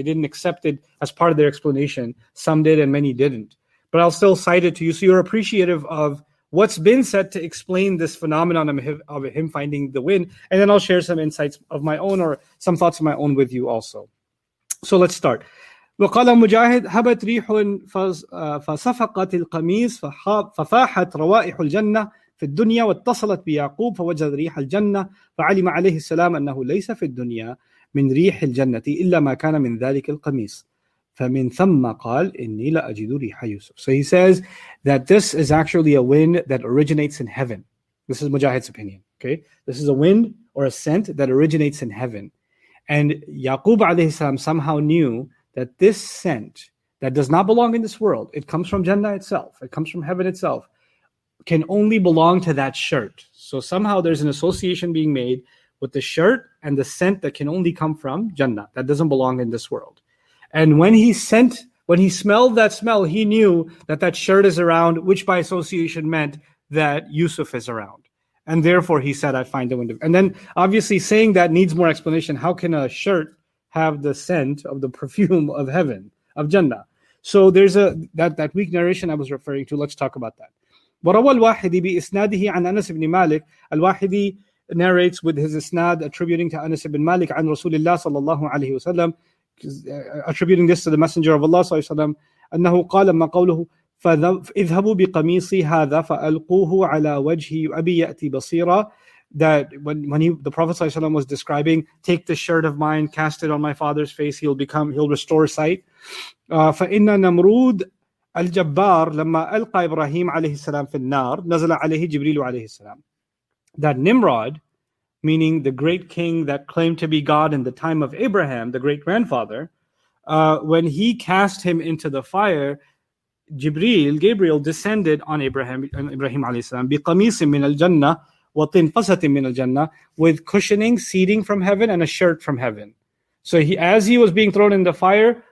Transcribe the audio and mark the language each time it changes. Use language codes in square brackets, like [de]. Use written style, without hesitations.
[en] They didn't accept it as part of their explanation. Some did and many didn't. But I'll still cite it to you so you're appreciative of what's been said to explain this phenomenon of him finding the wind. And then I'll share some insights of my own or some thoughts of my own with you also. So let's start. [ar] وَقَالَ مُجَاهِدْ هَبَتْ رِيحٌ فَصَفَقَتِ الْقَمِيسِ فَفَاحَتْ رَوَائِحُ الْجَنَّةِ في الدنيا واتصلت بيعقوب فوجد ريح الجنة فعلم عليه السلام أنه ليس في الدنيا من ريح الجنة إلا ما كان من ذلك القميص فمن ثم قال إني لا أجد ريح يوسف. [en] So he says that this is actually a wind that originates in heaven. This is Mujahid's opinion. Okay, this is a wind or a scent that originates in heaven, and Yaqub alayhi salam somehow knew that this scent that does not belong in this world, it comes from Jannah itself, it comes from heaven itself, can only belong to that shirt. So somehow there's an association being made with the shirt and the scent that can only come from Jannah, that doesn't belong in this world. And when he smelled that smell, he knew that that shirt is around, which by association meant that Yusuf is around. And therefore he said, I find the wind. And then obviously saying that needs more explanation. How can a shirt have the scent of the perfume of heaven, of Jannah? So there's that weak narration I was referring to. Let's talk about that. [ar] وروى الواحدي بإسناده عن أنس بن مالك الواحدي [en] narrates with his isnad attributing to Anas ibn Malik [ar] عن رسول الله صلى الله عليه وسلم [en] attributing this to the messenger of Allah [ar] صلى الله عليه وسلم أنه قال ما قوله فاذهبوا بقميصي هذا فألقوه على وجهي أبي يأتي بصيرا. [en] That when the Prophet صلى الله عليه وسلم was describing, take the shirt of mine, cast it on my father's face, he'll restore sight. [ar] فإن نمرود الجبار لما ألقى إبراهيم عليه السلام في النار نزل عليه جبريل عليه السلام. [en] That Nimrod, meaning the great king that claimed to be God in the time of Abraham, the great grandfather, when he cast him into the fire, Gabriel descended on Ibrahim [ar] عليه السلام بقميص من الجنة [en] وطنفسة من الجنة, with cushioning, seating from heaven, and a shirt from heaven. So he, as he was being thrown in the fire,